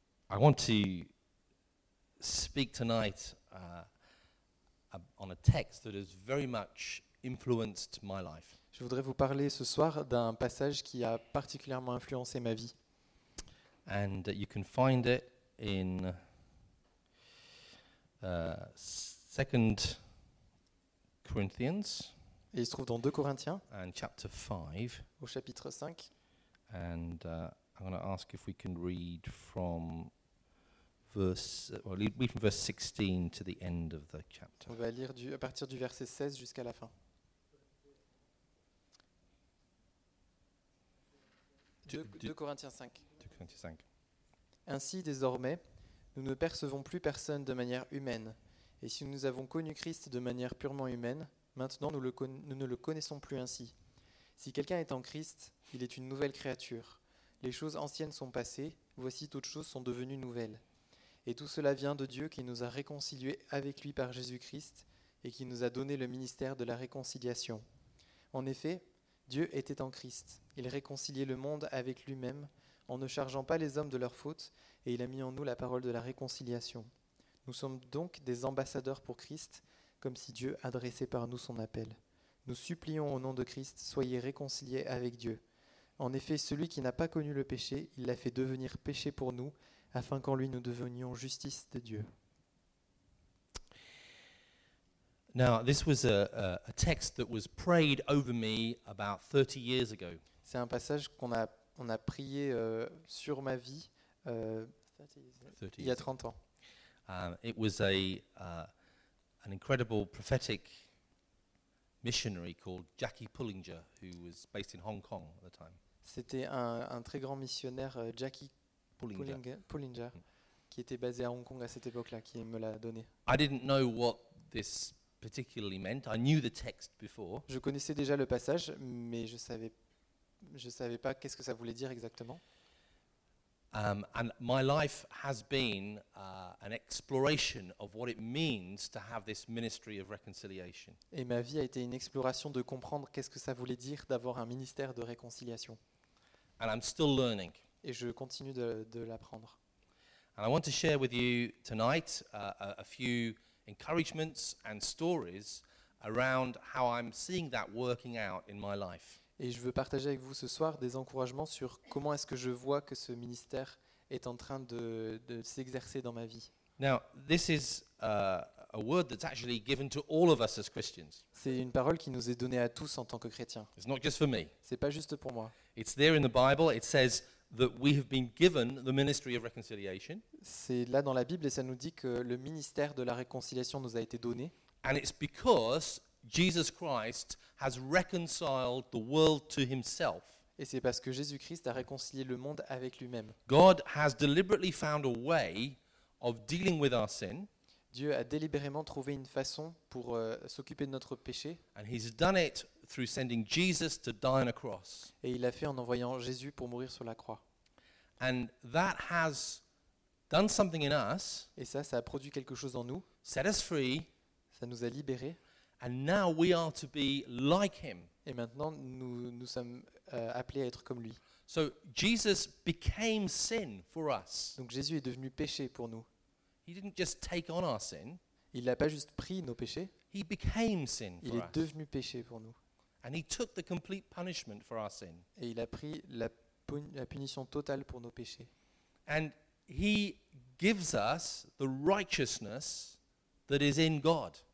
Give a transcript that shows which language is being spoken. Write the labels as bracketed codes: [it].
[en] I want to speak tonight on a text that has very much influenced my life. [fr] Je voudrais vous parler ce soir d'un passage qui a particulièrement influencé ma vie. [en] And you can find it in 2 Corinthians. [fr] Et il se trouve dans 2 Corinthiens. [en] And chapter 5. [fr] Au chapitre 5. [en] And I'm going to ask if we can read from verse 16 to the end of the chapter. [fr] On va lire à partir du verset 16 jusqu'à la fin. De Corinthiens 5. Ainsi, désormais, nous ne percevons plus personne de manière humaine. Et si nous avons connu Christ de manière purement humaine, maintenant nous ne le connaissons plus ainsi. Si quelqu'un est en Christ, il est une nouvelle créature. Les choses anciennes sont passées, voici toutes choses sont devenues nouvelles. Et tout cela vient de Dieu qui nous a réconciliés avec lui par Jésus-Christ et qui nous a donné le ministère de la réconciliation. En effet, Dieu était en Christ. Il réconciliait le monde avec lui-même, en ne chargeant pas les hommes de leurs fautes, et il a mis en nous la parole de la réconciliation. Nous sommes donc des ambassadeurs pour Christ, comme si Dieu adressait par nous son appel. Nous supplions au nom de Christ, soyez réconciliés avec Dieu. En effet, celui qui n'a pas connu le péché, il l'a fait devenir péché pour nous, afin qu'en lui nous devenions justice de Dieu. [en] Now, this was a text that was prayed over me about 30 years ago. [fr] C'est un passage qu'on a prié sur ma vie il y a 30 ans. [en] It was an incredible prophetic missionary called Jackie Pullinger who was based in Hong Kong at the time. [fr] C'était un très grand missionnaire Jackie Pullinger qui était basé à Hong Kong à cette époque-là qui me l'a donné. [en] I didn't know what this particularly meant. I knew the text before. [fr] Je connaissais déjà le passage, mais je savais pas qu'est-ce que ça voulait dire exactement. [en] And my life has been an exploration of what it means to have this ministry of reconciliation. [fr] Et ma vie a été une exploration de comprendre qu'est-ce que ça voulait dire d'avoir un ministère de réconciliation. [en] And I'm still learning. [fr] Et je continue de l'apprendre. [en] And I want to share with you tonight a few encouragements and stories around how I'm seeing that working out in my life. [fr] Et je veux partager avec vous ce soir des encouragements sur comment est-ce que je vois que ce ministère est en train de s'exercer dans ma vie. [en] Now, this is a word that's actually given to all of us as Christians. [fr] C'est une parole qui nous est donnée à tous en tant que chrétiens. [en] It's not just for me. [fr] C'est pas juste pour moi. [en] It's there in the Bible. It says that we have been given the ministry of reconciliation. [fr] C'est là dans la Bible et ça nous dit que le ministère de la réconciliation nous a été donné. [en] And it's because Jesus Christ has reconciled the world to himself. [fr] Et c'est parce que Jésus-Christ a réconcilié le monde avec lui-même. [en] God has deliberately found a way of dealing with our sin. [fr] Dieu a délibérément trouvé une façon pour s'occuper de notre péché. [en] And he's done it through sending Jesus to die on a cross. [fr] Et il l'a fait en envoyant Jésus pour mourir sur la croix. [en] And that has done something in us. [fr] Et ça a produit quelque chose en nous. [en] Set us free. [fr] Ça nous a libérés. [en] And now we are to be like him. [fr] Et maintenant nous sommes appelés à être comme lui. [en] So Jesus became sin for us. [fr] Donc Jésus est devenu péché pour nous. [en] He didn't just take on our sin. [fr] Il n'a pas juste pris nos péchés. [en] He became sin for us. [fr] Il est devenu péché pour nous. [en] And he took the complete punishment for our sin. [fr] Et il a pris la punition totale pour nos péchés. [en] And he gives us the righteousness that is in God.